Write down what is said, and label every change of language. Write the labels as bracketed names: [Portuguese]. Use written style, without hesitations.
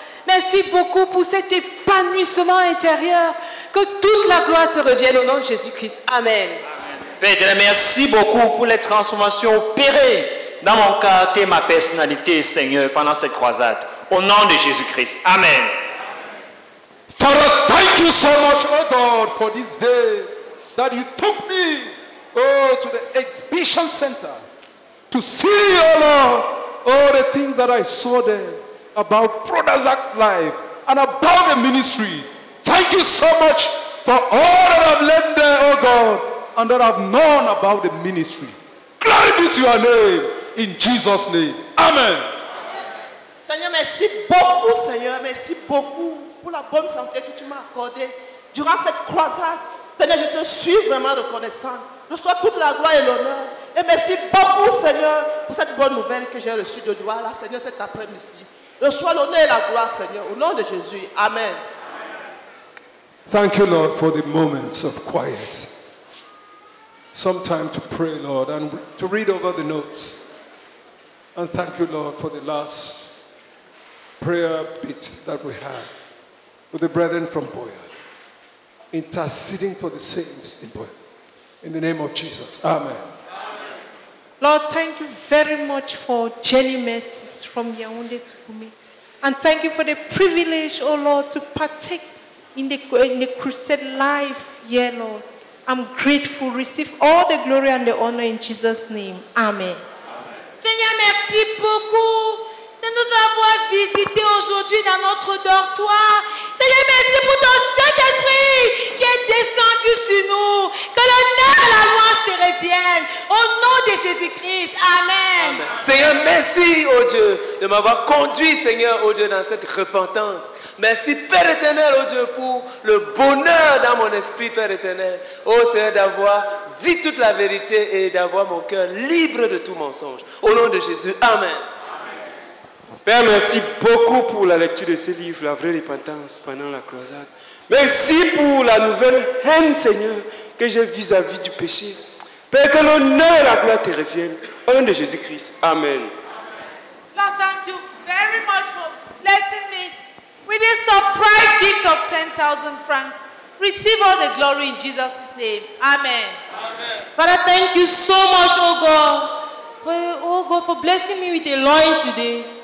[French] Merci beaucoup pour cet épanouissement intérieur. Que toute la gloire te revienne au nom de Jésus-Christ. Amen. Amen. Père, merci beaucoup pour les transformations opérées dans mon caractère, ma personnalité, Seigneur, pendant cette croisade. Au nom de Jésus-Christ. Amen. [English] Father, thank you so much, oh God, for this day that you took me, oh, to the exhibition center to see, oh Lord, all the things that I saw there about Brother Zach's life and about the ministry. Thank you so much for all that I've learned there, oh God, and that I've known about the ministry. Glory be to your name. In Jesus' name. Amen. [French] Seigneur, merci beaucoup, Seigneur. Merci beaucoup pour la bonne santé que tu m'as accordée durant cette croisade. Seigneur, je te suis vraiment reconnaissant. Reçois toute la gloire et l'honneur. Et merci beaucoup, Seigneur, pour cette bonne nouvelle que j'ai reçue de toi, là, Seigneur, cet après-midi. Reçois l'honneur et la gloire, Seigneur, au nom de Jésus. Amen. [English] Thank you, Lord, for the moments of quiet. Some time to pray, Lord, and to read over the notes. And thank you, Lord, for the last prayer bit that we had with the brethren from Boya, interceding for the saints in Boya. In the name of Jesus. Amen. Amen. Lord, thank you very much for Jenny Mercy's from Yaoundé to Bumi. And thank you for the privilege, oh Lord, to partake in the crusade life here, Lord. I'm grateful. Receive all the glory and the honor in Jesus' name. Amen. [French] Seigneur, merci beaucoup de nous avoir visités aujourd'hui dans notre dortoir. Seigneur, merci pour ton Saint-Esprit qui est descendu sur nous. Que l'honneur et la louange te reviennent. Au nom de Jésus-Christ. Amen. Amen. Seigneur, merci, oh Dieu, de m'avoir conduit, Seigneur, oh Dieu, dans cette repentance. Merci, Père éternel, oh Dieu, pour le bonheur dans mon esprit, Père éternel. Oh Seigneur, d'avoir dit toute la vérité et d'avoir mon cœur libre de tout mensonge. Au nom de Jésus. Amen. Père, merci beaucoup pour la lecture de ce livre, La vraie repentance pendant la croisade. Merci pour la nouvelle haine, Seigneur, que j'ai vis-à-vis du péché. Père, que l'honneur et la gloire te reviennent. Au nom de Jésus-Christ. Amen. [English] Lord, thank you very much for blessing me with this surprise gift of 10,000 francs. Receive all the glory in Jesus' name. Amen. Amen. Father, thank you so much, oh God, for blessing me with a loin today.